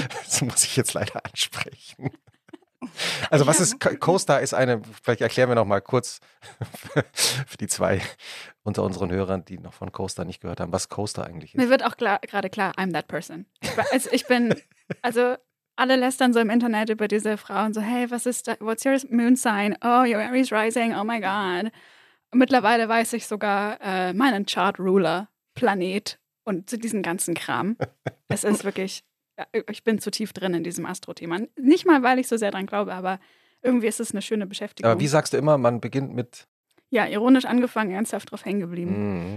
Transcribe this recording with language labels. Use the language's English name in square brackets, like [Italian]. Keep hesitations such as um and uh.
[German] das muss ich jetzt leider ansprechen. Also was ist Co- CoStar ist eine, vielleicht erklären wir noch mal kurz für die zwei unter unseren Hörern, die noch von CoStar nicht gehört haben, was CoStar eigentlich Mir ist. wird auch klar- gerade klar, [English] I'm that person. [German] Also ich bin, also alle lästern so im Internet über diese Frau und so, hey, was ist, da, [English] what's your moon sign? Oh, your Aries rising, oh my god. [German] Mittlerweile weiß ich sogar äh, meinen Chart Ruler, Planet und zu diesem ganzen Kram. Es ist wirklich, ja, ich bin zu tief drin in diesem Astro-Thema. Nicht mal, weil ich so sehr dran glaube, aber irgendwie ist es eine schöne Beschäftigung. Aber wie sagst du immer, man beginnt mit ja, ironisch angefangen, ernsthaft drauf hängen geblieben.